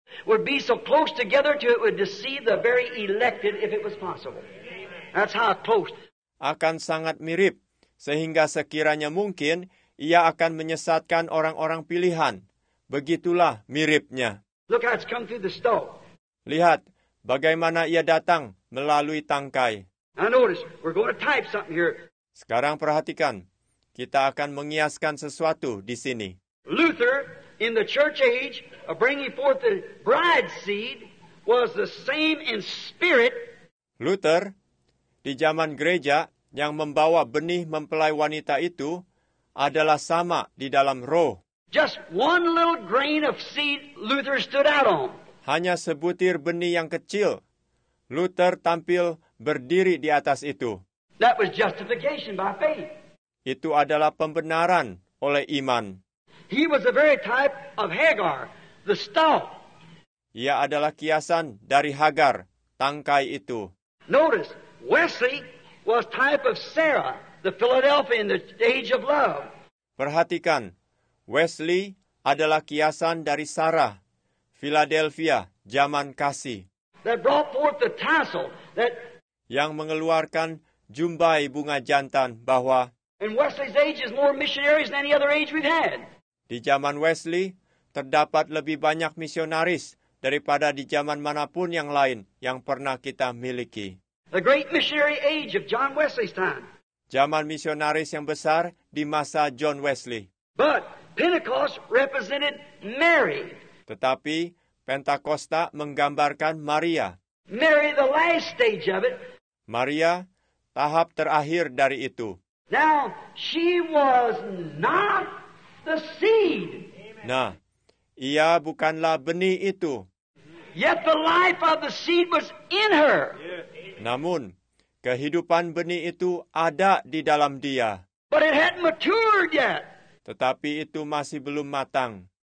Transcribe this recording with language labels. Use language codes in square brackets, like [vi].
[en] Would be so close together to it would deceive the very elected if it was possible. That's how close. [id] Akan sangat mirip sehingga sekiranya mungkin ia akan menyesatkan orang-orang pilihan. Begitulah miripnya. [en] Look how it's come through the stove. [id] Lihat. Bagaimana ia datang melalui tangkai. [en] Notice, we're going to type something here. [id] Sekarang perhatikan, kita akan mengiaskan sesuatu di sini. [en] Luther in the church age of bringing forth the bride seed was the same in spirit. [id] Luther di zaman gereja yang membawa benih mempelai wanita itu adalah sama di dalam roh. [en] Just one little grain of seed Luther stood out on. [id] Hanya sebutir benih yang kecil. Luther tampil berdiri di atas itu. [en] That was justification by faith. [id] Itu adalah pembenaran oleh iman. [en] He was the very type of Hagar, the stalk. [id] Ia adalah kiasan dari Hagar, tangkai itu. [en] Notice, Wesley was type of Sarah, the Philadelphia in the age of love. [id] Perhatikan, Wesley adalah kiasan dari Sarah. Philadelphia, zaman kasih. [en] That brought forth the tassel that [id] yang mengeluarkan jumbai bunga jantan bahwa [en] in Wesley's age is more missionaries than any other age we've had. [id] Di zaman Wesley terdapat lebih banyak misionaris daripada di zaman manapun yang lain yang pernah kita miliki. [en] The great missionary age of John Wesley's time. [id] Zaman misionaris yang besar di masa John Wesley. [en] But Pentecost represented Mary. [id] Tetapi Pentakosta menggambarkan Maria. [en] Mary, the last stage of it. [id] Maria, tahap terakhir dari itu. [en] Now, she was not the seed. [id] Nah, ia bukanlah benih itu. [en] Yet the life of the seed was in her. [id] Namun, kehidupan benih itu ada di dalam dia. [en] But it hadn't matured yet. [id] Tetapi itu masih belum matang.